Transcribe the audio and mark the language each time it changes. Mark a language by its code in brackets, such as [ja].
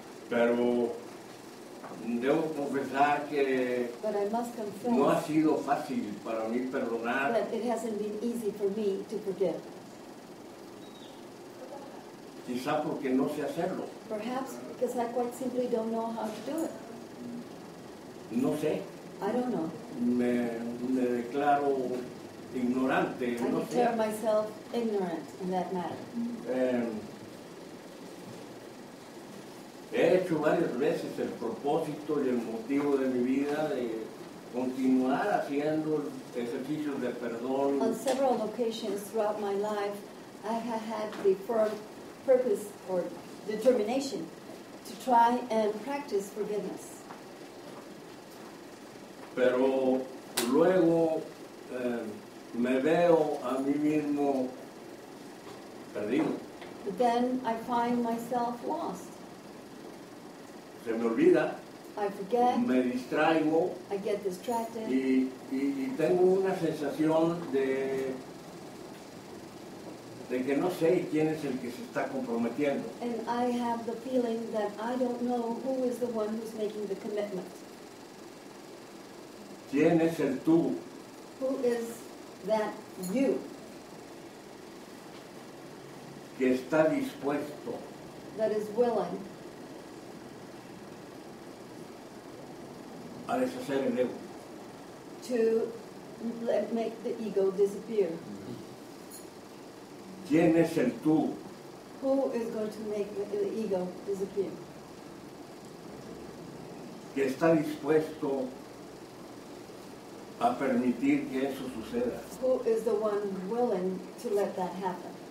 [es] Pero debo confesar que no ha sido fácil para mí perdonar. [en] But it hasn't been easy for me to forgive. [es] Quizá porque no sé hacerlo. [en] Perhaps because I quite simply don't know how to do it. [es] No sé. [en] I don't know. [es] Me declaro ignorante. [en] I [es] no [en] declare [es] sé. [en] Myself ignorant in that matter. [es] He hecho varias veces el propósito y el motivo de mi vida de continuar haciendo ejercicios de perdón. [en] On several occasions throughout my life, I have had the firm purpose or determination to try and practice forgiveness. [es] Pero luego me veo a mí mismo perdido. [en] But then I find myself lost. [es] Se me olvida. [en] I forget. [es] Me distraigo. [en] I get distracted. [es] Y tengo una sensación de que no sé quién es el que se está comprometiendo. [en] And I have the feeling that I don't know who is the one who's making the commitment. [es] ¿Quién es el tú? [en] Who is that you? [es] Que está dispuesto. [en] That is willing. [es] A deshacer el ego. [en] To make the ego disappear. [es] ¿Quién es el tú? [en] Who is going to make the ego disappear? [es] Que está dispuesto a permitir que eso suceda. [en] Who is the one willing to let that happen?